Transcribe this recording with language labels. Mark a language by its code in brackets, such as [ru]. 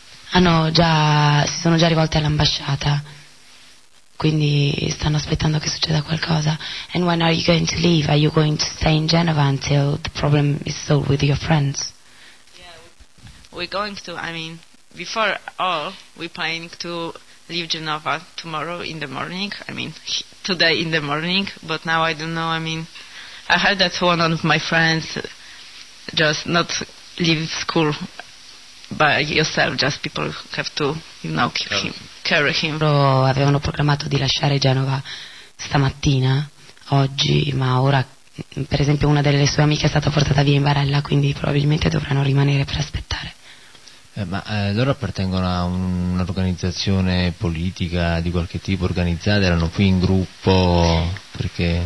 [it] Hanno già si sono già rivolte all'ambasciata, quindi stanno aspettando che succeda qualcosa. [en] And when are you going to leave? Are you going to stay in Genova until the problem is solved with your friends? Yeah, we're going to. Before all, we're planning to leave Genova tomorrow in the morning. Today in the morning. But now I don't know. I heard that one of my friends just not leave school by yourself. Just people have to, carry him. [it] Loro avevano programmato di lasciare Genova stamattina, oggi, ma ora, per esempio, una delle sue amiche è stata portata via in barella, quindi probabilmente dovranno rimanere per aspettare. Loro appartengono a un'organizzazione politica di qualche tipo organizzata, erano qui in gruppo perché...